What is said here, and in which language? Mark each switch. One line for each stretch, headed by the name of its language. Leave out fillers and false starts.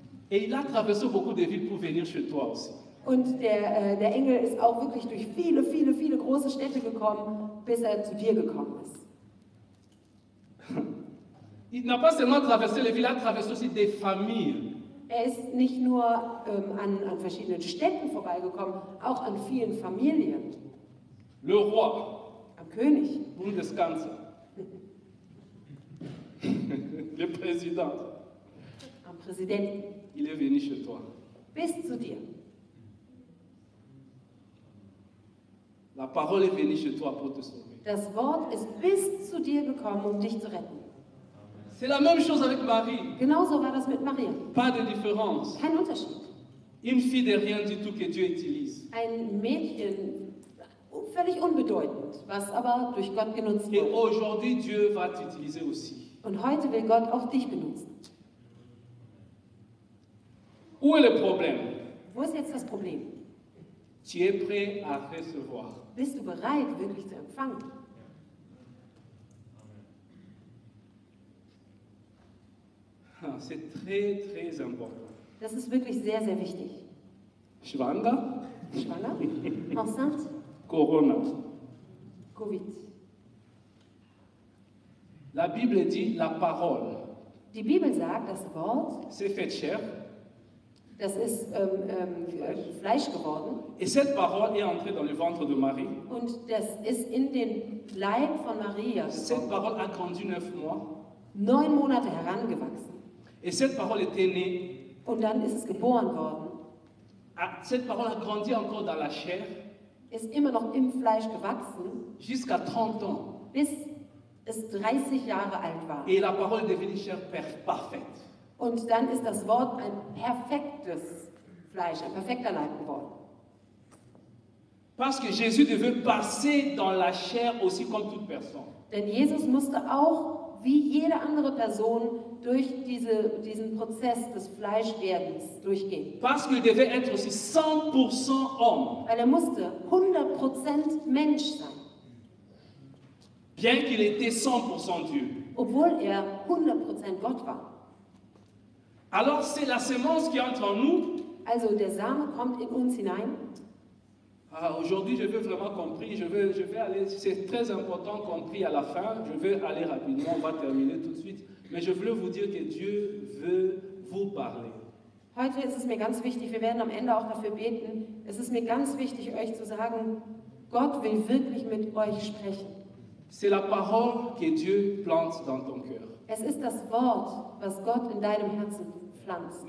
French: Et il a traversé beaucoup de villes pour venir chez toi aussi.
German: Und der Engel ist auch wirklich durch viele, viele, viele große Städte gekommen, bis er zu dir gekommen ist.
French: Il n'a pas seulement traversé les villes, il a traversé aussi des familles.
German: Er ist nicht nur an verschiedenen Städten vorbeigekommen, auch an vielen Familien.
French: Le roi.
German: Am König. Bundeskanzler.
French: Le président.
German: Am Präsidenten.
French: Il est venu chez toi.
German: Bis zu dir.
French: La parole est venue chez toi pour te sauver.
German: Das Wort ist bis zu dir gekommen, um dich zu retten.
French: C'est la même chose avec Marie.
German: Genauso war das mit Maria.
French: Pas de différence.
German: Kein Unterschied.
French: Une fille de rien du tout que Dieu utilise.
German: Ein Mädchen, völlig unbedeutend, was aber durch Gott genutzt wird.
French: Et aujourd'hui, Dieu va t'utiliser aussi.
German: Und heute will Gott auch dich benutzen.
French: Où est le problème?
German: Wo ist jetzt das Problem?
French: Tu es prêt à recevoir.
German: Bist du bereit, wirklich zu empfangen?
French: C'est très, très important.
German: Das ist wirklich sehr, sehr wichtig. Schwanger?
French: Enceinte?
German: Corona.
French: Covid. La Bible dit la parole.
German: Die Bibel sagt, das Wort.
French: C'est fait chair.
German: Das ist Fleisch geworden.
French: Et cette parole est entrée dans le ventre de Marie.
German: Und das ist in den Leib von Maria.
French: Cette parole a grandi 9 mois.
German: 9 Monate herangewachsen.
French: Et cette parole était née.
German: Und dann ist es geboren worden.
French: Cette parole a grandi encore dans la chair.
German: Ist immer noch im Fleisch gewachsen.
French: Jusqu'à 30 ans.
German: Bis es 30 Jahre alt war.
French: Et la parole est devenue chair parfaite.
German: Und dann ist das Wort ein perfektes Fleisch, ein perfekter Leib geworden.
French: Parce que Jésus devait passer dans la chair aussi comme toute personne.
German: Denn Jesus musste auch wie jede andere Person durch diesen Prozess des Fleischwerdens durchgehen.
French: Parce qu'il devait être aussi 100% homme.
German: Weil er musste 100% Mensch sein.
French: Bien qu'il était 100% Dieu.
German: Obwohl er 100% Gott war.
French: Alors c'est la semence qui entre en nous.
German: Also der Same kommt in uns hinein.
French: Ah, aujourd'hui, je veux vraiment compris. Je veux aller. C'est très important compris à la fin. Je veux aller rapidement. On va terminer tout de suite. Mais je veux vous dire que Dieu veut vous parler.
German: Heute ist es mir ganz wichtig. Wir werden am Ende auch dafür beten. Es ist mir ganz wichtig, euch zu sagen, Gott will wirklich mit euch sprechen.
French: C'est la parole que Dieu plante dans ton cœur.
German: Es ist das Wort, was Gott in deinem Herzen pflanzt.